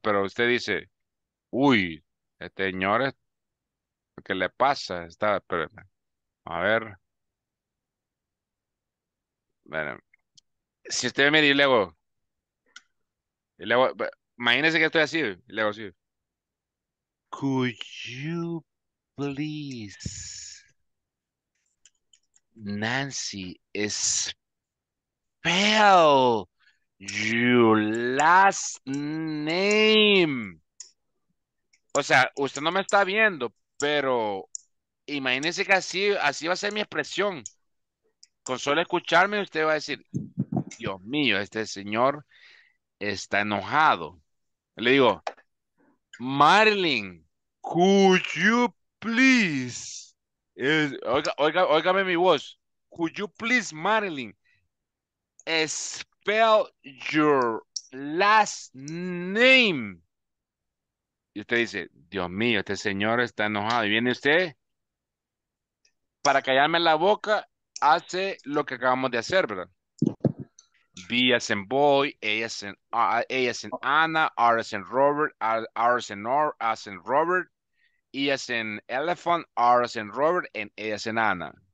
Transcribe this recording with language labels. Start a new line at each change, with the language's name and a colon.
Spanish: Pero usted dice, uy, este señor, ¿qué le pasa? Está, pero, a ver. Bueno, si usted mira y luego, imagínese que estoy así, y luego así.
English: Could you please, Nancy, spell your last name.
Spanish: O sea, usted no me está viendo, pero imagínese que así va a ser mi expresión. Con solo escucharme, usted va a decir, Dios mío, este señor está enojado. Le digo,
English: Marilyn, could you please,
Spanish: oígame mi voz,
English: could you please, Marilyn, spell your last name?
Spanish: Y usted dice, Dios mío, este señor está enojado. Y viene usted, para callarme la boca, hace lo que acabamos de hacer, ¿verdad?
English: B as in boy, A as in Anna, R as in Robert, R as in R, as in Robert, E as in elephant, R as in Robert, and A as in Anna.